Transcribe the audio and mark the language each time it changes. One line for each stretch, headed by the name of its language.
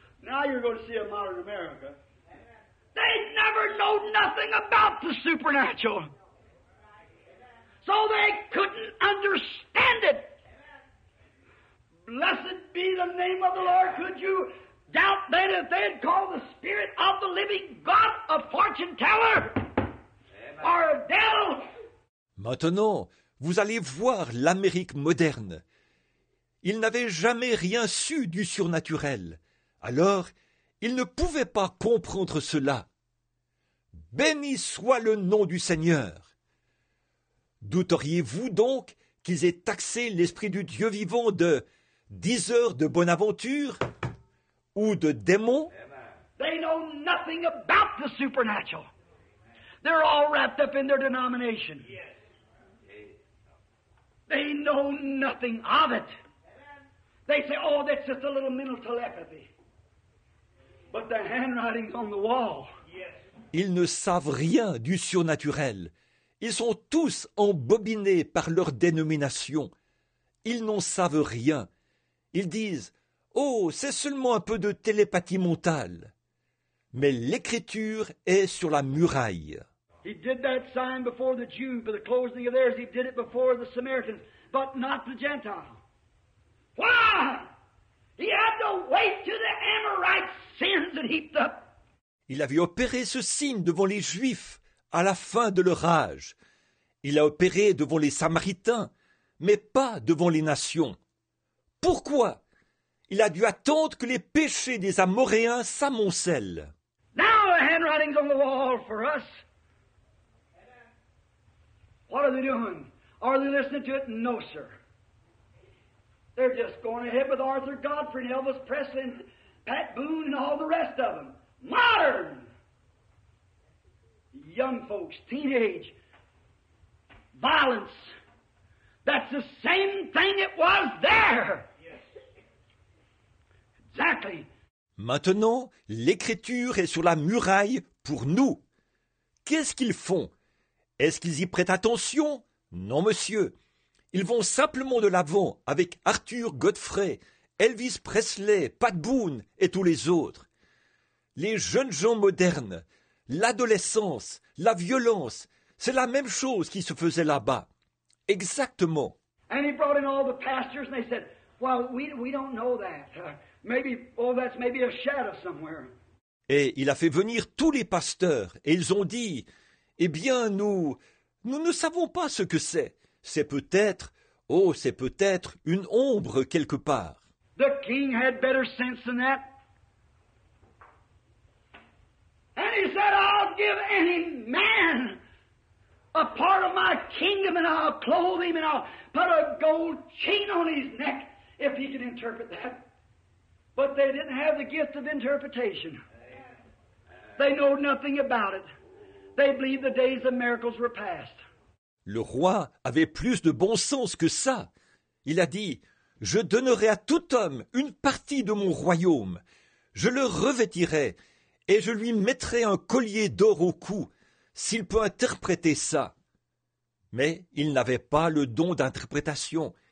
English: Now you're going to see a modern America. They never know nothing about the supernatural. So they couldn't understand it. Blessed be the name of the Lord. Could you doubt that if they had called the spirit of the living God a fortune teller? Or a devil?
French: Maintenant, vous allez voir l'Amérique moderne. Ils n'avaient jamais rien su du surnaturel. Alors, ils ne pouvaient pas comprendre cela. Béni soit le nom du Seigneur. Douteriez-vous donc qu'ils aient taxé l'Esprit du Dieu vivant de 10 heures de bonne aventure ou de démons?
English: They know nothing about the supernatural. They're all wrapped up in their denomination. They know nothing of it. They say, oh, that's just a little mental telepathy. But the handwriting's on the wall.
French: Ils ne savent rien du surnaturel. Ils sont tous embobinés par leur dénomination. Ils n'en savent rien. Ils disent, oh, c'est seulement un peu de télépathie mentale. Mais l'écriture est sur la muraille.
English: He did that sign before the Jew, but the closing of theirs, he did it before the Samaritans, but not the Gentiles. Why? He had to wait till the Amorites' sins had heaped up.
French: Il avait opéré ce signe devant les Juifs à la fin de leur âge. Il a opéré devant les Samaritains, mais pas devant les nations. Pourquoi? Il a dû attendre que les péchés des Amoréens s'amoncellent.
English: Now the handwriting's on the wall for us. What are they doing? Are they listening to it? No, sir. They're just going ahead with Arthur Godfrey and Elvis Presley and Pat Boone and all the rest of them. Modern! Young folks, teenage, violence. That's the same thing it was there. Exactly.
French: Maintenant, l'écriture est sur la muraille pour nous. Qu'est-ce qu'ils font? Est-ce qu'ils y prêtent attention? Non, monsieur. Ils vont simplement de l'avant avec Arthur Godfrey, Elvis Presley, Pat Boone et tous les autres. Les jeunes gens modernes, l'adolescence, la violence, c'est la même chose qui se faisait là-bas. Exactement.
English: And he brought in all the pastors and they said, well, we don't know that. Maybe, oh, that's maybe a shadow somewhere.
French: Et il a fait venir tous les pasteurs et ils ont dit, eh bien, nous ne savons pas ce que c'est. C'est peut-être, oh, c'est peut-être une ombre quelque part.
English: The king had better sense than that. And he said, I'll give any man a part of my kingdom and I'll clothe him and I'll put a gold chain on his neck if he can interpret that. But they didn't have the gift of interpretation. They know nothing about it. They believe the days of miracles were past.
French: Le roi avait plus de bon sens que ça. Il a dit, « Je donnerai à tout homme une partie de mon royaume. Je le revêtirai et je lui mettrai un collier d'or au cou, s'il peut interpréter ça. » Mais il n'avait pas le don d'interprétation.